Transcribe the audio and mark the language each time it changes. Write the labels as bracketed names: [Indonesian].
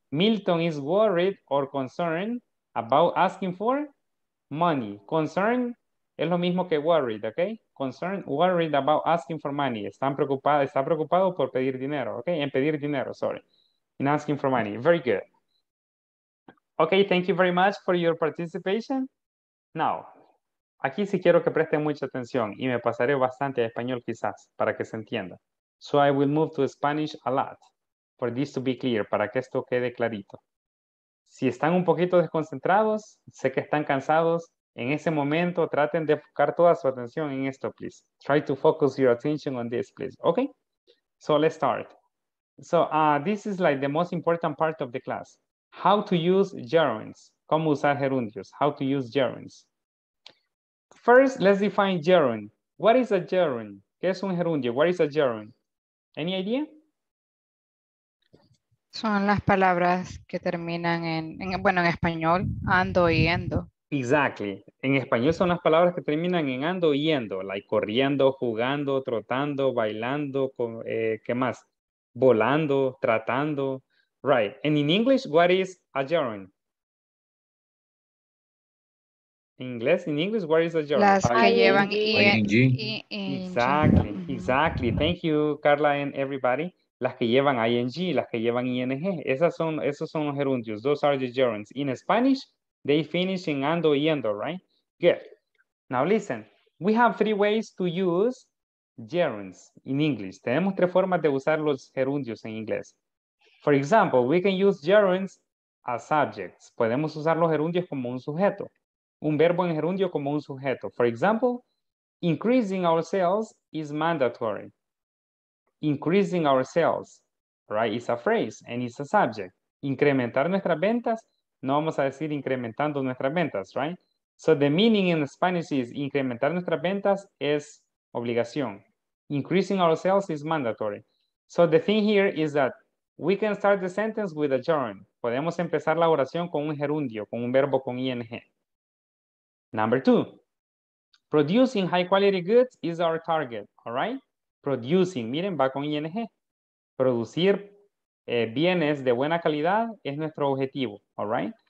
[English] Milton is worried or concerned about asking for money. Concern [Spanish] es lo mismo que [English] worried, okay? Concern, worried about asking for money. [Spanish] Está preocupado por pedir dinero, okay? En pedir dinero, sorry. [English] In asking for money. Very good. Okay, thank you very much for your participation. [Spanish] Now, aquí sí quiero que presten mucha atención y me pasaré bastante a español quizás para que se entienda. [English] So I will move to Spanish a lot. For this to be clear, [Spanish] para que esto quede clarito. Si están un poquito desconcentrados, sé que están cansados, en ese momento traten de enfocar toda su atención en esto, please. [English] Try to focus your attention on this, please. Okay? So let's start. So this is like the most important part of the class. How to use gerunds. [Spanish] ¿Cómo usar gerundios? [English] How to use gerunds. First, let's define gerund. What is a gerund? [Spanish] ¿Qué es un gerundio? [English] What is a gerund? Any idea? [Spanish] Son las palabras que terminan en español, ando y yendo. [English] Exactly. [Spanish] En español son las palabras que terminan en ando y yendo, like corriendo, jugando, trotando, bailando, ¿qué más? Volando, tratando. [English] Right. And in English, what is a gerund? In English, what is a gerund? [Spanish] Las que llevan [English] ing. Exactly, exactly. Thank you, Carla and everybody. [Spanish] Las que llevan ing, las que llevan ing. Esos son los gerundios. [English] Those are the gerunds. In Spanish, they finish in ando y yendo, right? Good. Now listen. We have three ways to use gerunds in English. [Spanish] Tenemos tres formas de usar los gerundios en inglés. [English] For example, we can use gerunds as subjects. [Spanish] Podemos usar los gerundios como un sujeto. Un verbo en gerundio como un sujeto. [English] For example, increasing our sales is mandatory. Increasing our sales, right, is a phrase and it's a subject. [Spanish] Incrementar nuestras ventas, no vamos a decir incrementando nuestras ventas, right? [English] So the meaning in Spanish is [Spanish] incrementar nuestras ventas es obligación. [English] Increasing our sales is mandatory. So the thing here is that we can start the sentence with a gerund. [Spanish] Podemos empezar la oración con un gerundio, con un verbo con ing. [English] Number two, producing high quality goods is our target, all right? [Spanish] Producing, miren, va con ing. Producir bienes de buena calidad es nuestro objetivo, all right?